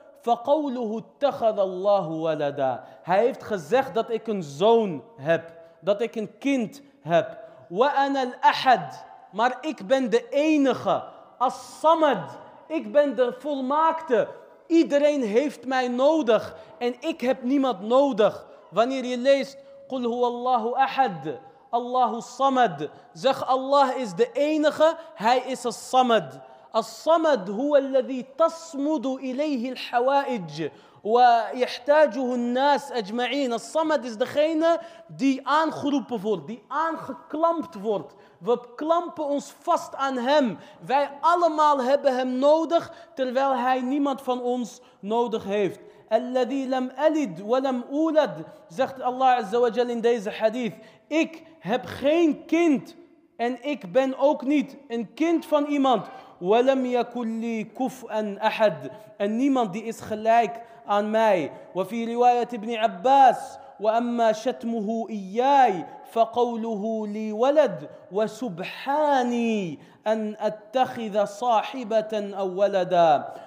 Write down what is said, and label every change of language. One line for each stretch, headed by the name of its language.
Arabic: فَقَوْلُهُ اتَّخَذَ اللَّهُ وَلَدًا.
Dutch: Hij heeft gezegd dat ik een zoon heb. Dat ik een kind heb.
Arabic: وَأَنَا الْأَحَدِ.
Dutch: Maar ik ben de enige. الصَّمَد. Ik ben de volmaakte. Iedereen heeft mij nodig. En ik heb niemand nodig. Wanneer je leest
Arabic: قُلْ هُوَ اللَّهُ أَحَدِ اللَّهُ الصَّمَد.
Dutch: Zeg Allah is de enige. Hij is الصَّمَد.
Arabic: الصمد هو الذي تصمد إليه الحوائج ويحتاجه الناس أجمعين.
Dutch: الصمد is degene die aangeroepen wordt, die aangeklampt wordt. We klampen ons vast aan hem. Wij allemaal hebben hem nodig, terwijl hij niemand van ons nodig heeft.
Arabic: الذي لم ألد ولم أولد,
Dutch: zegt Allah عز وجل in deze hadith. Ik heb geen kind en ik ben ook niet een kind van iemand.
Arabic: وَلَمْ يَكُلْ لِي كُفْءًا أَحَدٍ.
Dutch: En niemand die is gelijk aan mij.
Arabic: وَفِي رِوَايَةِ ابْنِ عَبَّاسِ وَأَمَّا شَتْمُهُ إِيَّايِ فَقَوْلُهُ لِي وَلَدٍ وَسُبْحَانِي أَنْ أَتَّخِذَ صَاحِبَةً أَوْ وَلَدًا.